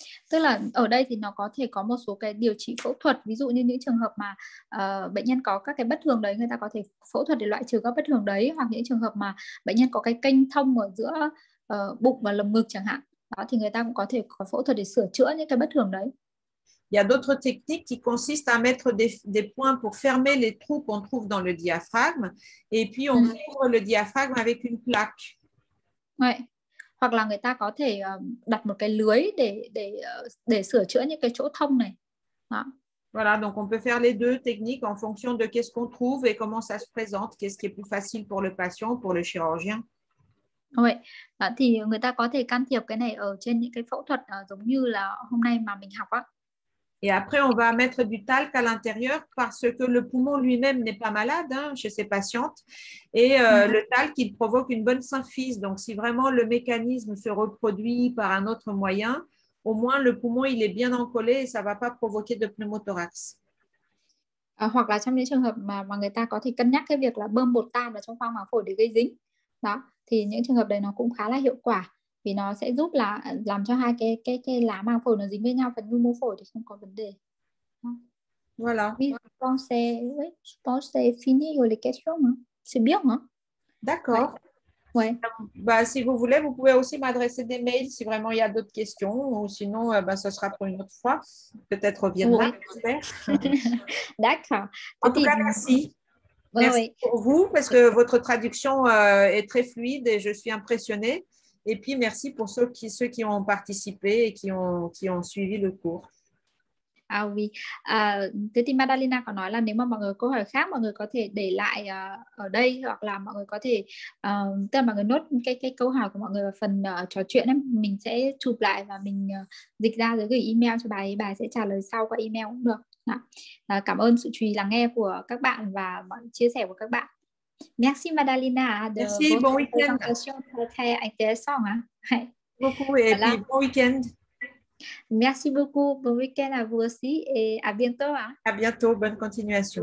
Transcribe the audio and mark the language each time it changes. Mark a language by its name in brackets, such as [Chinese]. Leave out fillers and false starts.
[Vietnamese] Tức là ở đây thì nó có thể có một số cái điều trị phẫu thuật, ví dụ như những trường hợp mà bệnh nhân có các cái bất thường đấy, người ta có thể phẫu thuật để loại trừ các bất thường đấy, hoặc những trường hợp mà bệnh nhân có cái kênh thông ở giữa bụng và lồng ngực chẳng hạn, đó thì người ta cũng có thể có phẫu thuật để sửa chữa những cái bất thường đấy. [French] Il y a d'autres techniques qui consistent à mettre des points pour fermer les trous qu'on trouve dans le diaphragme, et puis on ouvre le diaphragme avec une plaque. Ouais. [Vietnamese] Hoặc là người ta có thể đặt một cái lưới để sửa chữa những cái chỗ thông này. Đó. [French] Voilà, donc on peut faire les deux techniques en fonction de qu'est-ce qu'on trouve et comment ça se présente, qu'est-ce qui est plus facile pour le patient, pour le chirurgien. [Vietnamese] Oui, đó, thì người ta có thể can thiệp cái này ở trên những cái phẫu thuật giống như là hôm nay mà mình học á. [French] Et après, on va mettre du talc à l'intérieur parce que le poumon lui-même n'est pas malade hein, chez ces patientes. Et le talc, il provoque une bonne symphyse. Donc, si vraiment le mécanisme se reproduit par un autre moyen, au moins le poumon, il est bien encollé et ça ne va pas provoquer de pneumothorax. [Vietnamese] Hoặc là trong những trường hợp mà người ta có thể cân nhắc cái việc là bơm bột tan vào trong khoang màng phổi để gây dính. Đó, thì những trường hợp đấy nó cũng khá là hiệu quả. Vì nó sẽ giúp là làm cho hai cái lá màng phổi nó dính với nhau, phần nhu mô phổi thì không có vấn đề. [French] Voilà. Je pense c'est fini les questions. C'est bien, hein? D'accord. Ouais. Bah, si vous voulez, vous pouvez aussi m'adresser des mails si vraiment il y a d'autres questions, ou sinon, bah, ce sera pour une autre fois. Peut-être reviendra. Ouais. D'accord. En tout cas, merci. Merci pour vous, parce que votre traduction est très fluide et je suis impressionnée. Et puis merci pour ceux qui ont participé et qui ont suivi le cours. Ah oui. [Vietnamese] Thế thì Madalena có nói là nếu mà mọi người có câu hỏi khác, mọi người có thể để lại ở đây, hoặc là mọi người có thể tức là mọi người nốt cái câu hỏi của mọi người vào phần trò chuyện ấy, mình sẽ chụp lại và mình dịch ra rồi gửi email cho bà sẽ trả lời sau qua email cũng được. Đó. Cảm ơn sự chú ý lắng nghe của các bạn và mọi chia sẻ của các bạn. [French] Merci Madalena de merci, bon week-end. Présentation très très intéressante. Beaucoup et voilà. Puis bon week-end. Merci beaucoup, bon week-end à vous aussi et à bientôt. Hein. À bientôt, bonne continuation.